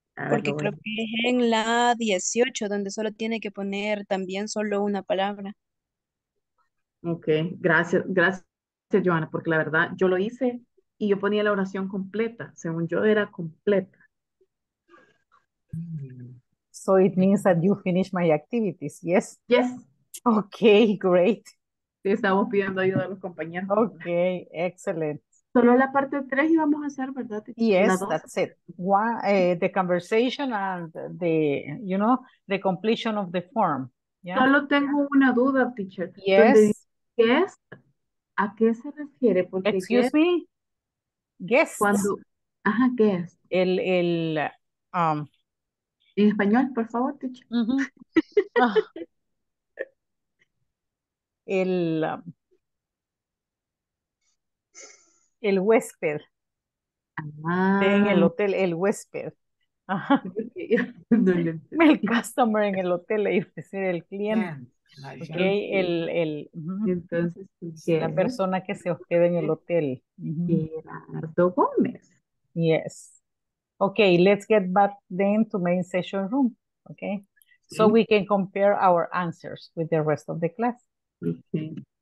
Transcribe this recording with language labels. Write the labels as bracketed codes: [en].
[es] Porque creo que es en la 18 donde solo tiene que poner también solo una palabra. Ok, gracias Joana, porque la verdad yo lo hice y yo ponía la oración completa, según yo era completa. [en] So it means that you finish my activities, yes? Yes. Ok, great. [es] Sí, estamos pidiendo ayuda a los compañeros. Ok, excelente. Solo la parte 3 íbamos a hacer, ¿verdad? [en] Yes, that's it. One, the conversation and the, you know, the completion of the form. Yeah. [es] Solo tengo una duda, teacher. [en] Yes. [es] Guest, ¿a qué se refiere? Porque [en] excuse me? Guest. [es] Cuando, ajá, guest. En español, por favor, teacher. Uh-huh. El huésped. Ah. En el hotel, el huésped. Ajá. El customer en el hotel, es decir, el cliente. Ok, el entonces, la persona que se hospeda en el hotel. Gerardo Gómez. [en] Yes. Ok, let's get back then to main session room. Ok. [es] Sí. [en] So we can compare our answers with the rest of the class. Okay.